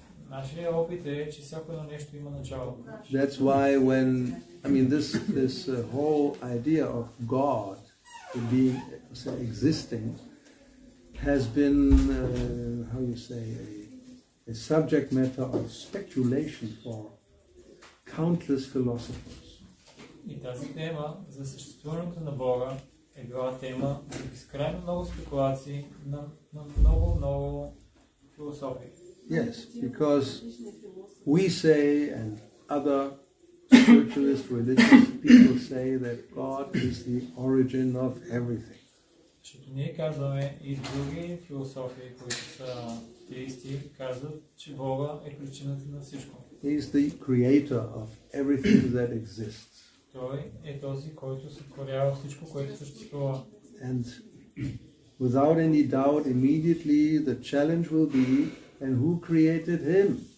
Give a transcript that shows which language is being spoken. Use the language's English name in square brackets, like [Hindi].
[English] That's why when, I mean, this whole idea of God being, say, existing has been, how you say, a subject matter of speculation for countless philosophers. [Bulgarian] И тази тема за съществуването на Бога е била тема за безкрайно много спекулации на много философии. [English] Yes, because we say and other spiritualist religious people say that God is the origin of everything. [Bulgarian] Защото ние казваме и други философии, които са теисти, казват, че Бога е причината на всичко. [English] He is the creator of everything that exists. [Bulgarian] Той е този, който сътворява всичко, което съществува. [English] And without any doubt, immediately the challenge will be, and who created him?